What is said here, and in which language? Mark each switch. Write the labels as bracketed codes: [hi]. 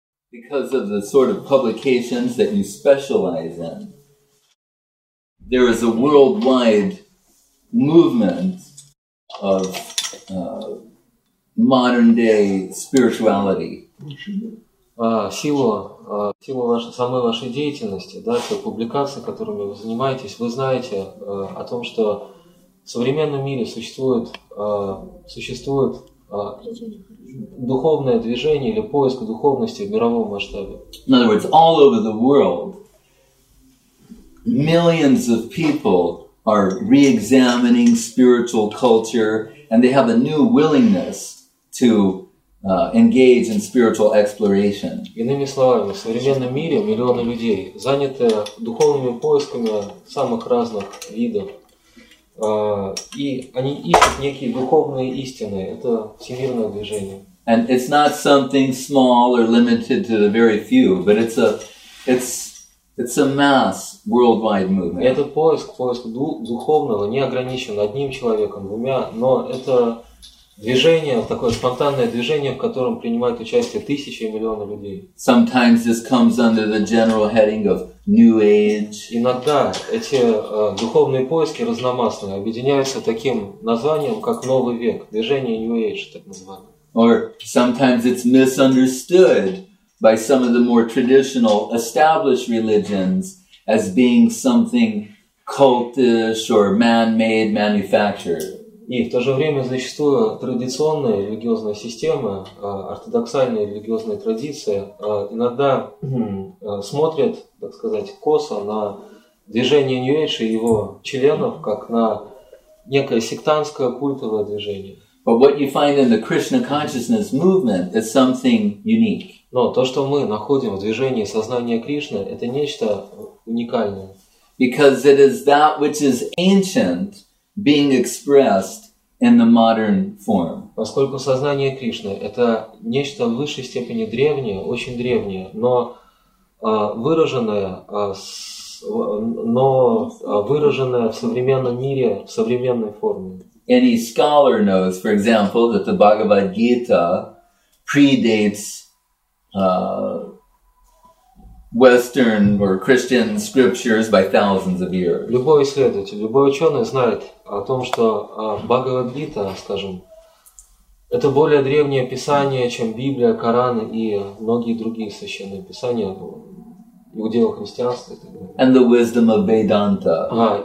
[en] because of the sort of publications that you specialize in, there is a worldwide movement of modern-day spirituality. [ru] Сила вашей, самой вашей деятельности, да, все публикации, которыми вы занимаетесь, вы знаете о том, что в современном мире существует, существует духовное движение или поиск духовности в мировом масштабе. [en] In other words, all over the world, millions of people are re-examining spiritual culture, and they have a new willingness to engage in spiritual exploration. [ru] Иными словами, в современном мире миллионы людей заняты духовными поисками самых разных видов. И они ищут некие духовные истины. Это всемирное движение. [en] And it's not something small or limited to the very few, but it's a mass worldwide movement. [ru] Этот поиск, поиск духовного не ограничен одним человеком, двумя, но это движение, такое спонтанное движение, в котором принимают участие тысячи и миллионы людей. [en] Sometimes this comes under the general heading of New Age. [ru] Иногда эти духовные поиски разномастные объединяются таким названием, как Новый век, движение New Age, так называемое. [en] Or sometimes it's misunderstood by some of the more traditional established religions as being something cultish or man-made, manufactured. [ru] И в то же время зачастую традиционная религиозная система, ортодоксальная религиозная традиция иногда смотрит, так сказать, косо на движение New Age и его членов, как на некое сектантское культовое движение. [en] But what you find in the Krishna consciousness movement is something unique. [ru] Но то, что мы находим в движении сознания Кришны, это нечто уникальное. [en] Because it is that which is ancient being expressed in the modern form. [ru] Поскольку сознание Кришны — это нечто в высшей степени древнее, очень древнее, но выраженное, выраженное в современном мире, в современной форме. [en] Any scholar knows, for example, that the Bhagavad Gita predates Western or Christian scriptures by thousands of years. [ru] Любой исследователь, любой ученый знает о том, что Бхагавад-гита, скажем, это более древнее писание, чем Библия, Коран и многие другие священные писания иудео христианства. [en] And the wisdom of Vedanta.